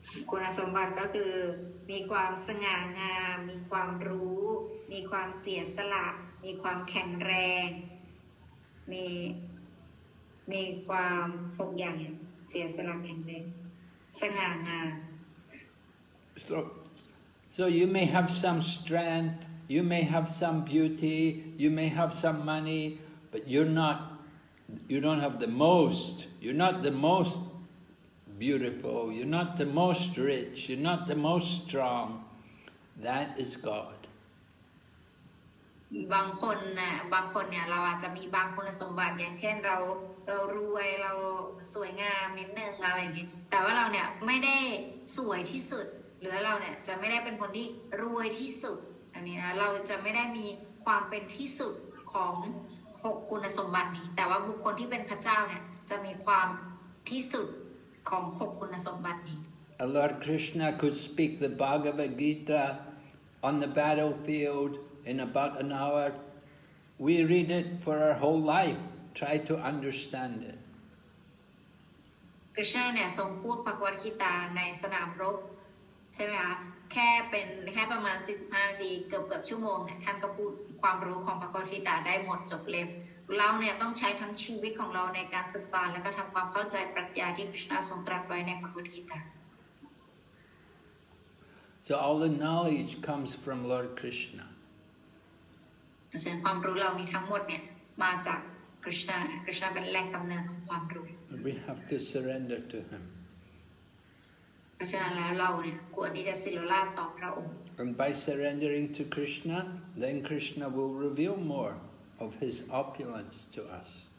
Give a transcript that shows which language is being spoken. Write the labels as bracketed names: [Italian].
[Thai] คุณสมบัติก็คือมีความสง่างามมีความรู้มีความเสียสละมีความแข็งแรงมีความพกอย่างเสียสละแข็งแรงสง่างาม [English] So you may have some strength you may have some beauty you may have some money but you don't have the most you're not the most beautiful you're not the most rich you're not the most strong that is God [Thai] บางคนนะบางคนเนี่ยเราอาจจะมีบางคุณสมบัติอย่างเช่นเรารวยเราสวยงามนิดนึงอะไรอย่างเงี้ยแต่ว่าเราเนี่ยไม่ได้สวยที่สุดหรือเราเนี่ยจะไม่ได้เป็นคนที่รวยที่สุดอันนี้นะเราจะไม่ได้มีความเป็นที่สุดของ6คุณสมบัตินี้แต่ว่าบุคคลที่เป็นพระเจ้าเนี่ยจะมีความที่สุดของ6คุณสมบัตินี้ [English] Lord Krishna could speak the Bhagavad Gita on the battlefield in about an hour we read it for our whole lifeTry to understand it. [Thai] Krishna เนี่ยทรงพูดพระกวดกีตาในสนามรบใช่ไหมคะแค่ประมาณ45นาทีเกือบชั่วโมงเนี่ยท่านก็พูดความรู้ของพระกวดกีตาได้หมดจบเล่มเราเนี่ยต้องใช้ทั้งชีวิตของเราในการศึกษาแล้วก็ทำความเข้าใจปรัชญาที่ Krishna ทรงตรัสไว้ในพระกวดกีตา [English] So all the knowledge comes from Lord Krishna. [Thai] เพราะฉะนั้นความรู้เรามีทั้งหมดเนี่ยมาจากKrishna เป็นแหล่งกำเนิดของความรู้ [English] We have to surrender to him [Thai] เพราะฉะนั้นแล้วเราเนี่ยควรที่จะสิรลาภต่อพระองค์ [English] And by surrendering to Krishna then Krishna will reveal more of his opulence to us